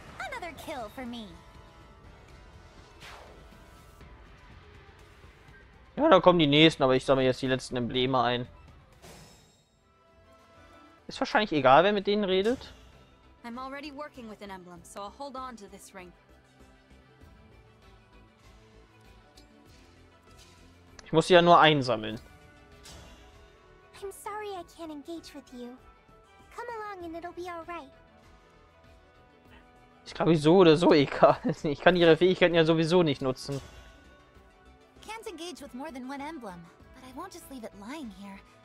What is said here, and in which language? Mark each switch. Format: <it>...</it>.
<en>Another kill for me.</en> <de>Ja, da kommen die nächsten, aber ich sammle jetzt die letzten Embleme ein. Ist wahrscheinlich egal, wer mit denen redet.</de> <en>I'm already working with an emblem, so I'll hold on to this ring.</en> <de>Ich muss sie ja nur einsammeln.</de> <en>I'm sorry, I can't engage with you. Come along and it'll be all right.</en> <de>Ich glaube, so oder so egal. Ich kann ihre Fähigkeiten ja sowieso nicht nutzen.</de> <en>Can't engage with more than one emblem, but I won't just leave it lying here.</en>